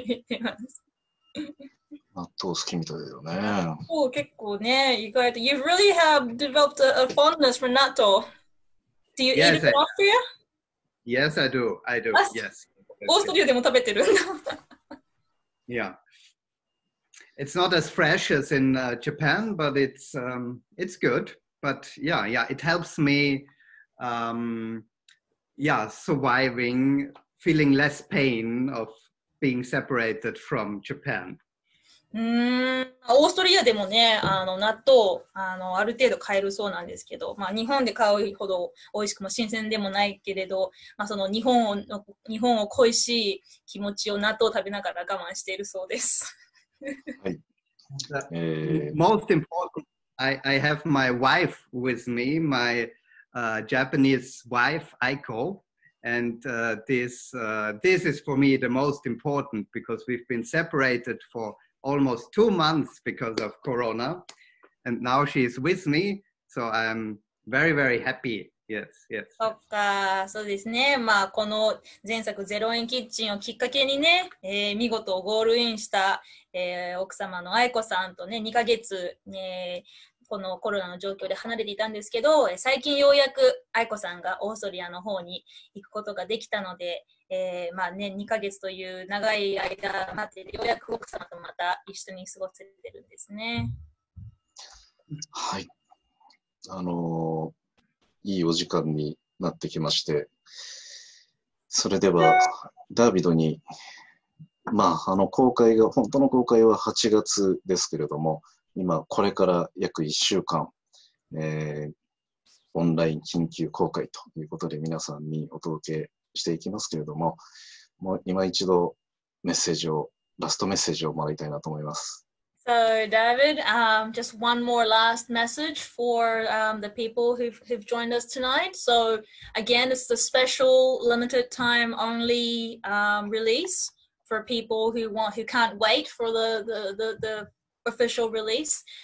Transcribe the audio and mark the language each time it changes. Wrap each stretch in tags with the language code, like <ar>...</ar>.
<ja>納豆好きみたいだよね。そう、結構ね、意外と</ja> <en>You really have developed a fondness for 納豆。Do you eat it in Austria? Yes, I do. I do. Yes.</en> <ja>オーストリアでも食べてるんだ。</ja> <en>Yeah. It's not as fresh as in Japan, but it's good. But yeah, it helps me, surviving, feeling less pain of being separated from Japan.</en> <ja>オーストリアでもね、納豆ある程度買えるそうなんですけど、まあ、日本で買うほど美味しくも新鮮でもないけれど、まあ、その日本を恋しい気持ちを納豆を食べながら我慢しているそうです。はい、</ja> <en>Most important, I have my wife with me, my Japanese wife Aiko, and this is for me the most important, because we've been separated for almost 2 months because of Corona, and now she's with me, so I'm very, very happy. Yes, yes.</en> <ja>そっか、そうですね。まあ、この前作ゼロインキッチンをきっかけにね、見事ゴールインした、奥様の愛子さんとね、2ヶ月、このコロナの状況で離れていたんですけど、最近ようやく愛子さんがオーストリアの方に行くことができたので、まあね、2ヶ月という長い間待ってて、ようやく奥様とまた一緒に過ごせてるんですね。はい。いいお時間になってきまして、それではダービドに、まあ、公開が、本当の公開は8月ですけれども、今、これから約1週間、オンライン緊急公開ということで皆さんにお届けしていきますけれども、もう今一度メッセージを、ラストメッセージをもらいたいなと思います。</ja> <en>So David, just one more last message for the people who've joined us tonight. So again, it's the special limited time only release for people who can't wait for the official release.</en>